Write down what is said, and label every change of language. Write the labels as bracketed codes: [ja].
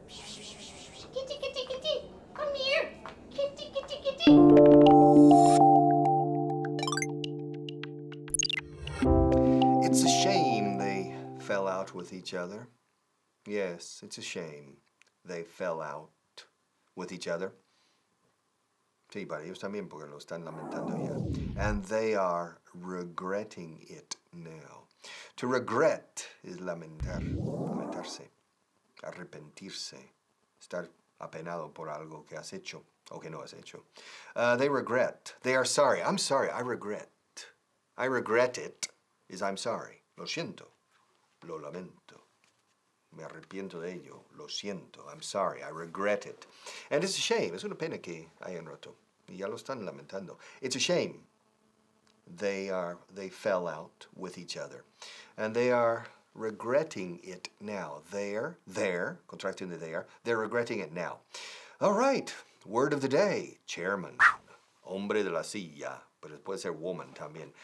[en] Kitty, kitty, kitty, come here. Kitty, kitty, kitty. It's a shame they fell out with each other. Yes, it's a shame they fell out with each other. [es] Sí, para ellos también, porque lo están lamentando ya. [en] And they are regretting it now. To regret is [es] lamentar, lamentarse, arrepentirse, estar apenado por algo que has hecho o que no has hecho. [en] They regret. They are sorry. I'm sorry. I regret. I regret it is I'm sorry. [es] Lo siento. Lo lamento. Me arrepiento de ello. Lo siento. [en] I'm sorry. I regret it. And it's a shame. [es] Es una pena que hayan roto. Y ya lo están lamentando. [en] It's a shame. They fell out with each other. And they are regretting it now. They're, contracting the there, they're regretting it now. All right, word of the day, chairman. [es] Hombre de la silla, pero puede ser woman también.